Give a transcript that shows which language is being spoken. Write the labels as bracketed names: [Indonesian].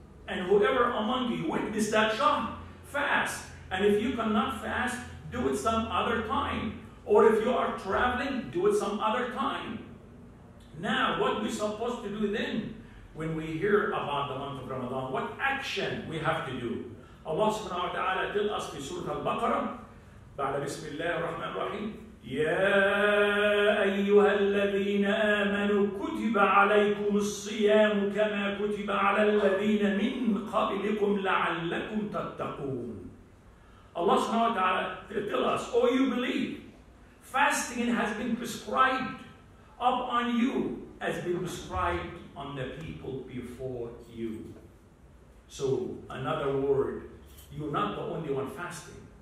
[English] And whoever among you witness that Shahr, fast. And if you cannot fast, do it some other time. Or if you are traveling, do it some other time. Now, what we supposed to do then when we hear about the month of Ramadan? What action we have to do? [Arabic] Allah subhanahu wa ta'ala [English] tell us in Surah Al-Baqarah, [Arabic] بعد بسم الله الرحمن الرحيم يا أيها الذين آمنوا كتب عليكم الصيام كما كتب على الذين من قبلكم لعلكم تتقون. [English] Allah subhanahu wa ta'ala tell us, oh you believe, fasting has been prescribed upon you as been prescribed on the people before you. So another word, you're not the only one fasting.